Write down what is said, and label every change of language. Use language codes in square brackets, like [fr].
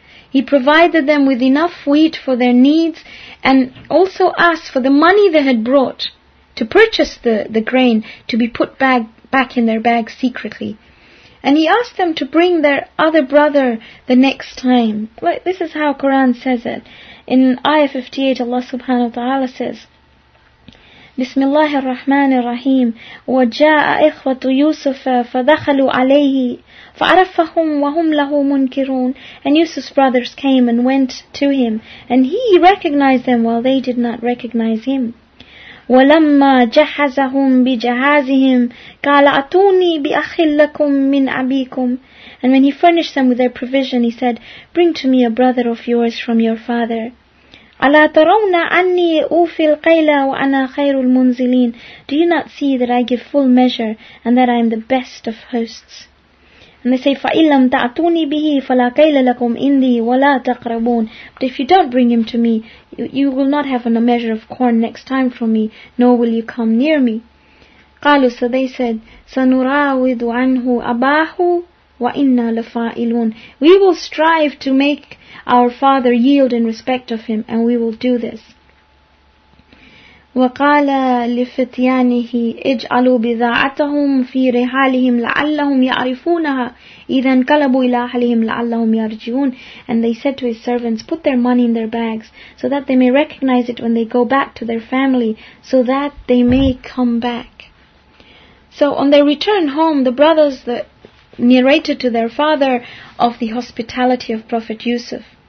[en] He provided them with enough wheat for their needs and also asked for the money they had brought to purchase the grain to be put back in their bag secretly. And he asked them to bring their other brother the next time. Well, this is how Quran says it. In Ayah 58, Allah subhanahu wa ta'ala says, [ar] بسم الله الرحمن الرحيم وجاء إخوة يوسف فدخلوا عليه فعرفهم وهم له منكرون. [en] And Yusuf's brothers came and went to him, and he recognized them while they did not recognize him. [ar] ولما جهزهم بجهازهم قال أتوني بأخ لكم من أبيكم. [en] And when he furnished them with their provision, he said, "Bring to me a brother of yours from your father." [ar] ألا ترون أني أوفي القيل وأنا خير المنزلين. [en] Do you not see that I give full measure and that I am the best of hosts? And they say, [ar] فإن لم تأتوني به فلا قيل لكم إني ولا تقربون. [en] But if you don't bring him to me, you will not have a measure of corn next time from me, nor will you come near me. [ar] قالوا, [en] so they said, [ar] سنراود عنه أباه وإنا لفاعلون. [en] We will strive to make our father yield in respect of him, and we will do this. [ar] وقال لفتيانه اجعلوا بضاعتهم في رحالهم لعلهم يعرفونها إذا انقلبوا إلى أهلهم لعلهم يرجعون. [en] And they said to his servants, "Put their money in their bags, so that they may recognize it when they go back to their family, so that they may come back." So on their return home, the brothers that narrated to their father of the hospitality of Prophet Yusuf.